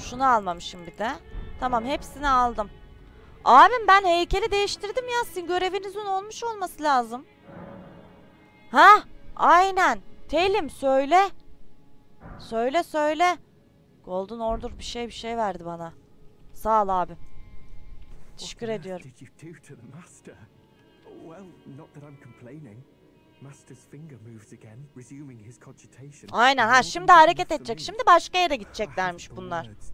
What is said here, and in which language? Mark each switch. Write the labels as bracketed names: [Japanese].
[Turkish] Şunu almamışım bir de. Tamam, hepsini aldım. Abim ben heykeli değiştirdim ya. Sizin görevinizin olmuş olması lazım. Ha, aynen. Telim söyle. Söyle söyle. Golden Order bir şey verdi bana. Sağ ol abim. Teşekkür ediyorum. [English] What did you do to the master? Well, not that I'm complaining. Master's finger moves again, resuming his cogitation. [Turkish] Aynen, ha şimdi hareket edecek. Şimdi başka yere gideceklermiş bunlar.